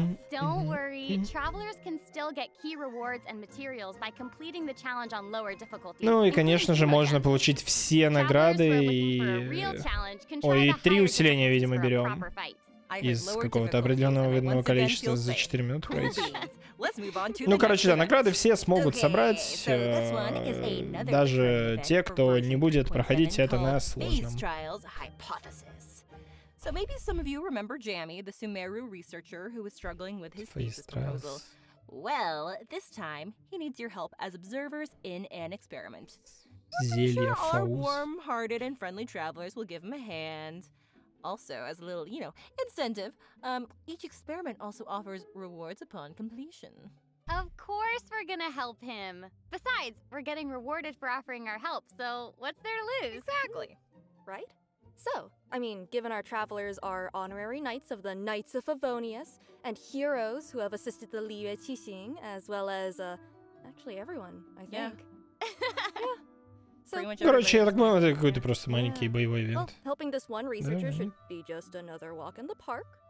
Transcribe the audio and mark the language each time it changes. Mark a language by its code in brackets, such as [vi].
[en] Don't worry, travelers can still get key rewards and materials by completing the challenge on lower difficulty. [ru] Ну и конечно же можно получить все награды и три усиления, видимо, берем. Из какого-то определенного видного количества за 4 минуты пройти. Ну, короче, да, награды все смогут собрать, даже те, кто не будет проходить это на сложном. [en] So maybe some of you remember Jammy, the Sumeru researcher who was struggling with his thesis proposal. Well, this time, he needs your help as observers in an experiment. [ru] Зелье Фауз. [en] Our warm-hearted and friendly travelers will give him a hand. Also, as a little, you know, incentive, each experiment also offers rewards upon completion. Of course we're gonna help him. Besides, we're getting rewarded for offering our help, so what's there to lose? Exactly. Right? So, I mean, given our travelers are honorary knights of the Knights of Favonius, and heroes who have assisted the Liyue Qixing, as well as, actually everyone, I think. Yeah. [ru] Короче, я так понимаю, это какой-то просто маленький боевой ивент. [en] Helping this one researcher should be just another walk in the park.